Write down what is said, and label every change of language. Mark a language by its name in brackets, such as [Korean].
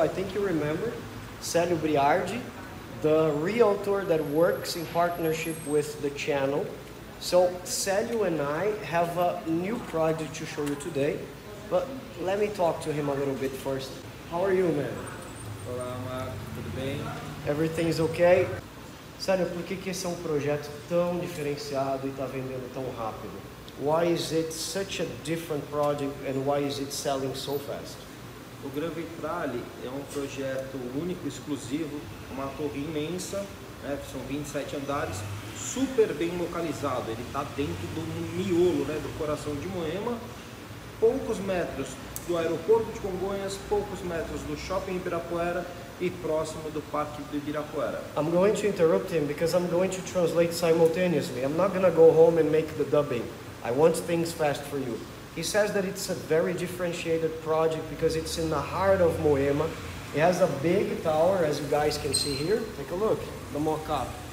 [English] I think you remember Célio Briard, the realtor that works in partnership with the channel. So Célio and I have a new project to show you today, but let me talk to him a little bit first. How are you, man? [Portuguese] Olá, Marco. Tudo bem? [English] Everything is okay. [Portuguese] Sério, por que que esse é um projeto tão diferenciado e tá vendendo tão rápido? [English] Why is it such a different project and why is it selling so fast? [Portuguese] O Gran Vitrale é um projeto único, exclusivo, uma torre imensa, né, que são 27 andares, super bem localizado. Ele tá dentro do miolo, né, do coração de Moema, poucos metros do aeroporto de Congonhas, poucos metros do shopping Ibirapuera e próximo do parque do Ibirapuera. [English] I'm going to interrupt him because I'm going to translate simultaneously. I'm not gonna go home and make the dubbing. I want things fast for you. He says that it's a very differentiated project because it's in the heart of Moema. It has a big tower, as you guys can see here. Take a look, the mock-up.